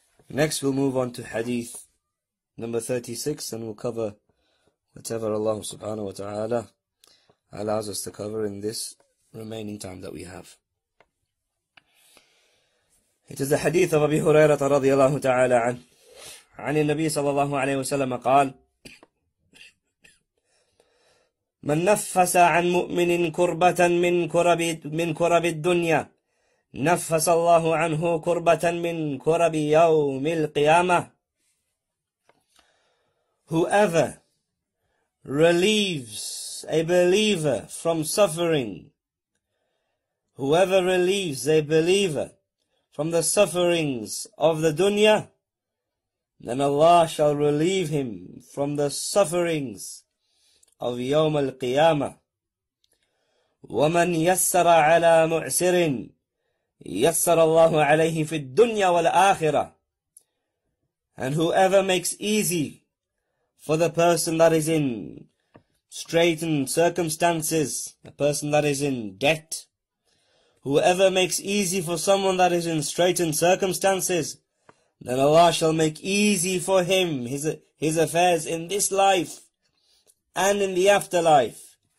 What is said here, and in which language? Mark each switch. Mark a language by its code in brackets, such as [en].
[en] Next we'll move on to Hadith number 36 and we'll cover whatever Allah subhanahu wa ta'ala allows us to cover in this remaining time that we have. It is the Hadith of Abi Hurairah radiallahu ta'ala [ar] عن النبي صلى الله عليه وسلم قال من نفس عن مؤمن كربة من كرب الدنيا نفس الله عنه كربة من كرب يوم القيامة. [en] Whoever relieves a believer from suffering, whoever relieves a believer from the sufferings of the dunya, then Allah shall relieve him from the sufferings of يوم القيامة. [ar] ومن يسر على معسر يسر الله عليه في الدنيا والآخرة. [en] And whoever makes easy for the person that is in straitened circumstances, a person that is in debt, whoever makes easy for someone that is in straitened circumstances, then Allah shall make easy for him his affairs in this life and in the afterlife.